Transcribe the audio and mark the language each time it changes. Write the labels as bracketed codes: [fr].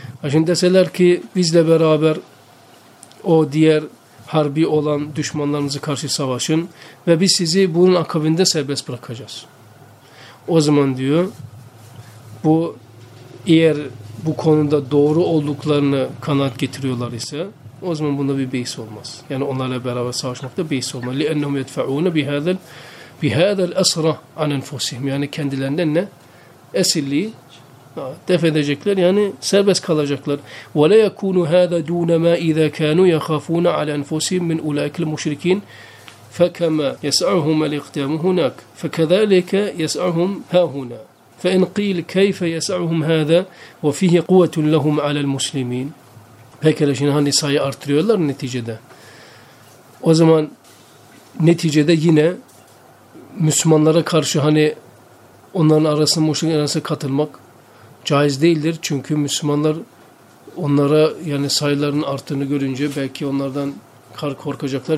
[tr] Şimdi deseler ki bizle beraber o diğer harbi olan düşmanlarınızı karşı savaşın ve biz sizi bunun akabinde serbest bırakacağız. O zaman diyor, bu eğer bu konuda doğru olduklarını kanaat getiriyorlar ise, o zaman bunda bir beis olmaz. Yani onlarla beraber savaşmakta beis olmaz. [ar] لِأَنَّهُمْ يَدْفَعُونَ بِهَذَا بِهَذَا الْأَسْرَ عَنْ اَنْفُسِهِمْ [tr] Yani kendilerinden ne? Esirliği def edecekler, yani serbest kalacaklar. [ar] وَلَا يَكُونُ هَذَا دُونَ مَا اِذَا كَانُوا يَخَافُونَ عَلَى اَنْفُسِهِمْ مِنْ اُولَٰئِكِ الْمُشْرِكِينَ فَكَمَا يَسْعَهُمَ الْاِقْدَامُ هُنَاكَ فَكَذَلِكَ يَسْعَهُمْ هَا هُنَا فَاِنْ قِيلْ كَيْفَ يَسْعَهُمْ هَذَا وَفِيهِ قُوَةٌ لَهُمْ عَلَى الْمُسْلِمِينَ [tr] Pekala, şimdi hani sayı artırıyorlar neticede. O zaman neticede yine Müslümanlara karşı hani onların arasında, muşrik arasında katılmak caiz değildir. Çünkü Müslümanlar onlara yani sayılarının arttığını görünce belki onlardan korkacaklar.